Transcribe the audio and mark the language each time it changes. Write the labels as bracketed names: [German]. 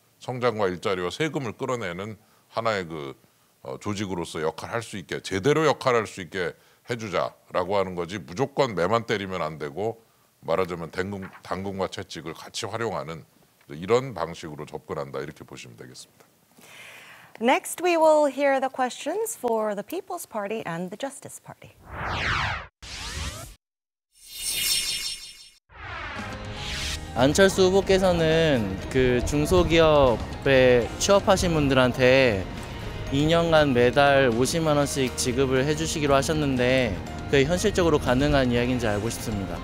[Korean] 성장과 일자리와 세금을 끌어내는 하나의 그 조직으로서 역할을 할 수 있게 제대로 역할을 할 수 있게 해주자라고 하는 거지 무조건 매만 때리면 안 되고 말하자면 당근과 채찍을 같이 활용하는 이런 방식으로 접근한다 이렇게 보시면 되겠습니다. [English] Next, we will hear the questions for the People's Party and the Justice Party. [Korean] Anchalsu 후보께서는 그 중소기업에 취업하신 분들한테 2년간 매달 50만 원씩 지급을 해주시기로 하셨는데 그게 현실적으로 가능한 이야기인지 알고 싶습니다.